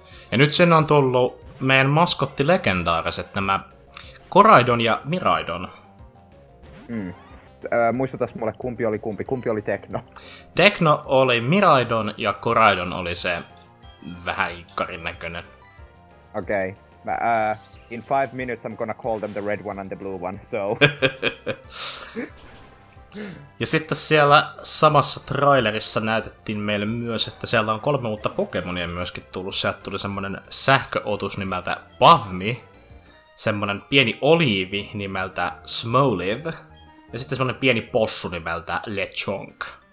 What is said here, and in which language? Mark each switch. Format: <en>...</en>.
<fi>Ja nyt sinne on tullut meidän maskottilegendaariset, nämä Koraidon ja Miraidon. Muistutas mulle, kumpi oli kumpi? Kumpi oli Tekno? Tekno oli Miraidon ja Koraidon oli se vähän ikkarin näköinen. Okei. Okay.</fi> <en>In 5 minutes I'm gonna call them the red one and the blue one, so...</en> <fi>Ja sitten siellä samassa trailerissa näytettiin meille myös, että siellä on 3 uutta Pokemonia myöskin tullut. Sieltä tuli semmoinen sähköotus nimeltä Pavmi, semmoinen pieni oliivi nimeltä Smoliv ja sitten semmoinen pieni possu nimeltä Lechonk.</fi>